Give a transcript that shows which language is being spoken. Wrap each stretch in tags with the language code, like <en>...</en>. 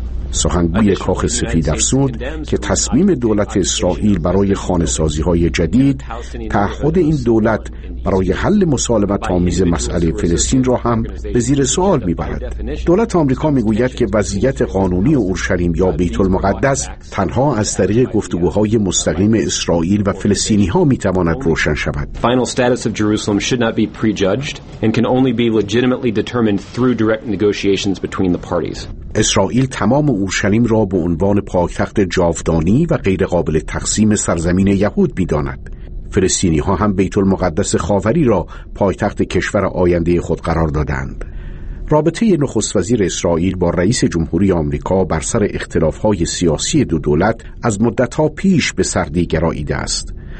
<fa>سخنگوی کاخ سفید افزود که تصمیم دولت اسرائیل برای خانه‌سازی‌های جدید تعهد این دولت برای حل مسالمت‌آمیز مسئله فلسطین را هم به زیر سوال می‌برد. دولت آمریکا می‌گوید که وضعیت قانونی اورشلیم یا بیت المقدس تنها از طریق گفتگوهای مستقیم اسرائیل و فلسطینی‌ها می‌تواند روشن شود.</fa> <en>Final status of Jerusalem should not be prejudged and can only be legitimately determined through direct negotiations between the parties.</en> <fa>اسرائیل تمام اورشلیم را به عنوان پایتخت جاودانی و غیر قابل تقسیم سرزمین یهود می‌داند. فلسطینی ها هم بیت المقدس خاوری را پایتخت کشور آینده خود قرار دادند. رابطه نخست وزیر اسرائیل با رئیس جمهوری آمریکا بر سر اختلاف های سیاسی دو دولت از مدت ها پیش به سردی گراییده است.</fa>